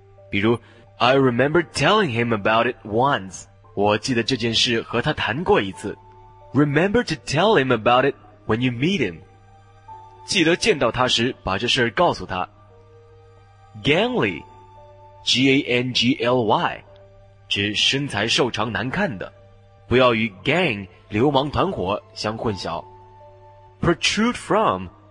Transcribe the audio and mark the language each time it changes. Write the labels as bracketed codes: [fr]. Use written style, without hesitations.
[zh] 比如 [en] I remember telling him about it once. [zh] 我记得这件事和他谈过一次。 [en] Remember to tell him about it when you meet him. [zh] 记得见到他时把这事告诉他。 [en] Gangly, G-A-N-G-L-Y, [zh] 指身材瘦长难看的。不要与 gang 流氓团伙相混淆。 [en] Protrude from